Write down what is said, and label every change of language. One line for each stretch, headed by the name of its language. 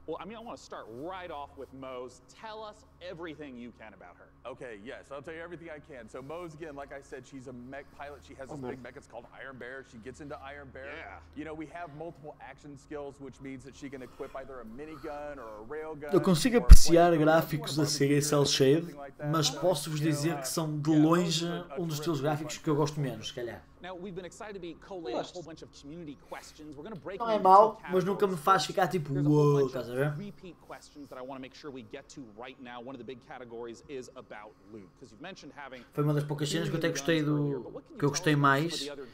English: Well, I mean, I want to start right off with Moe's. Tell us everything you can about her. Okay, yes, I'll tell you everything I can. So Moe's, again, like I said, she's a mech pilot. She has this big mech. It's called Iron Bear. She gets into Iron Bear. Yeah. You know, we have multiple action skills, which means that she can equip either a minigun or a railgun.
Portuguese: Eu consigo apreciar gráficos da série Cell Shade, mas posso-vos dizer que são de longe dos teus gráficos que eu gosto menos, se calhar.
English: Now we've been excited to be collating a whole bunch of community questions. We're going to break them out,
Portuguese: mas nunca me faz ficar tipo, uou, estás a ver?
English: Repeat questions that I want to make sure we get to right now. One of the big categories is about loot, because you've mentioned having.
Portuguese: Foi uma das poucas cenas que eu até gostei do que eu gostei mais.